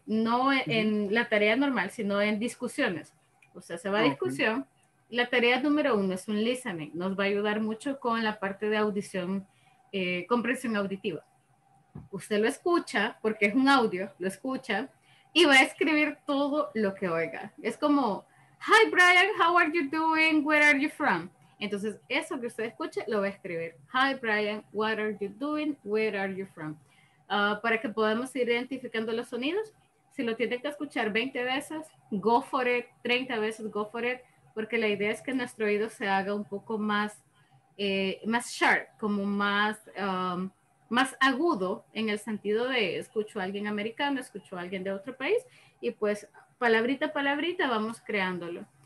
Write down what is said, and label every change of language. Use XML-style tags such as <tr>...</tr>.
<es>No en la tarea normal, sino en discusiones. O sea, se va a discusión. La tarea número uno es un listening. Nos va a ayudar mucho con la parte de audición, comprensión auditiva. Usted lo escucha, porque es un audio, lo escucha, y va a escribir todo lo que oiga. Es como,</es> <en>hi, Brian, how are you doing? Where are you from?</en> <es>Entonces, eso que usted escuche, lo va a escribir.</es> <en>Hi, Brian, what are you doing? Where are you from?</en> <es>Para que podamos ir identificando los sonidos. Si lo tienen que escuchar 20 veces,</es> <en>go for it,</en> <es>30 veces, go for it, porque la idea es que nuestro oído se haga un poco más, más sharp, como más, más agudo, en el sentido de escucho a alguien americano, escucho a alguien de otro país, y pues palabrita a palabrita vamos creándolo.</es>